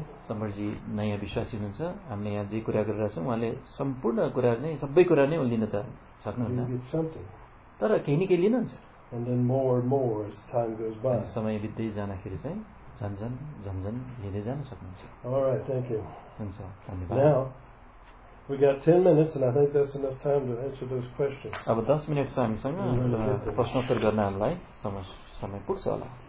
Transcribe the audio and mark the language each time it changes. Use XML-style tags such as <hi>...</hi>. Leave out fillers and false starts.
<ne>समरजी नयाँ विश्वासी हुनुहुन्छ, हामीले यहाँ जे कुरा गरिरहेछौँ उहाँले सम्पूर्ण कुरा नै सबै कुरा नै लिन त सक्नुहुन्न, तर केही न केही लिनुहुन्छ.</ne> <en>And then more and more as time goes by.</en> <ne>समय बित्दै जाँदाखेरि चाहिँ झन् झन् झन् झन् लिँदै जान सक्नुहुन्छ.</ne> <en>Alright, thank you.</en> <ne>हुन्छ, धन्यवाद.</ne> <en>Now, we got 10 minutes and I think that's enough time to answer those questions.</en> <ne>अब 10 मिनट छ हामीसँग प्रश्नोत्तर गर्न हामीलाई समय पुग्छ होला.</ne>